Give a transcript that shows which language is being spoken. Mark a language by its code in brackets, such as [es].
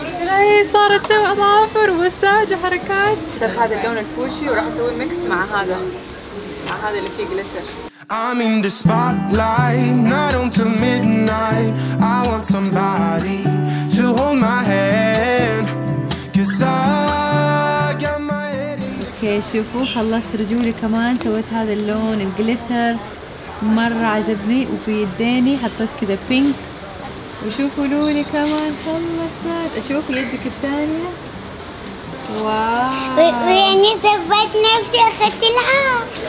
[ar] هي صارت تسوي اظافر ومساج وحركات. ترى هذا اللون الفوشي وراح اسوي ميكس مع هذا، مع هذا اللي فيه جلتر. [en] I'm in the spotlight, not until midnight. I want somebody to hold my hand. Cause I got my head in the. [ar] اوكي شوفوا خلصت رجولي كمان، سويت هذا اللون الجلتر مرة عجبني، وفي يديني حطيت كذا بينك وشوفوا لولي كمان خلصت. اشوف يدك الثانية. واو. ويعني ثبت نفسي اخذت لعبة.